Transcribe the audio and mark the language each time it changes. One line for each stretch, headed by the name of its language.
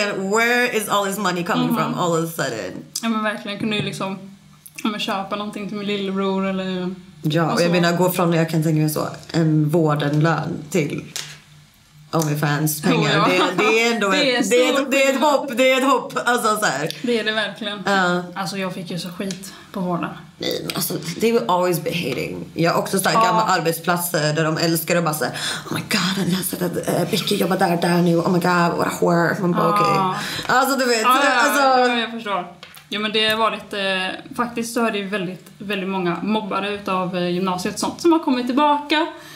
English: Where is all his money coming from all of a sudden?
Swedish: Ja, men verkligen, kunde ju liksom köpa någonting till min lillebror eller. Ja, och jag menar, gå från, jag kan tänka mig så, en vårdenlön till OnlyFans pengar. Oh, ja. Det är ett hopp. Alltså så här. Det är det verkligen. Alltså jag fick ju så skit på vården. Nej, men alltså
English: they will always be hating.
Swedish: Jag har också så här gamla arbetsplatser där de älskar och bara så här,
English: oh my god,
Swedish: jag läste att Vicky jobbar där nu.
English: Oh my god, what a whore.
Swedish: Man bara,
English: okay.
Swedish: Alltså du vet. Jag förstår. Ja, men det har varit faktiskt så är det väldigt väldigt många mobbare utav gymnasiet sånt som har kommit tillbaka.